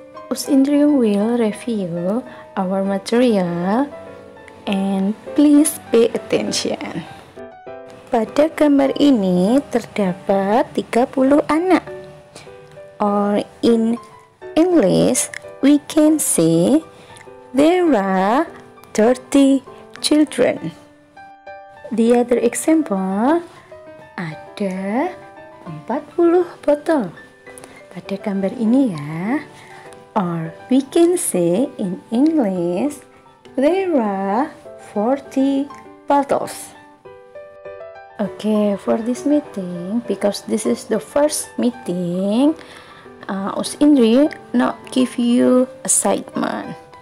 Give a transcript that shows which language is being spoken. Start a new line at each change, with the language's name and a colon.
English: Us Indri will review our material and please pay attention.
Indonesian: Pada gambar ini terdapat 30 anak.
English: Or in English, we can say there are 30 children. The other example,
Indonesian: ada 40 botol pada gambar ini ya.
English: Or we can say in English, there are 40 bottles. Okay, for this meeting, because this is the first meeting, Us Indri not give you assignment.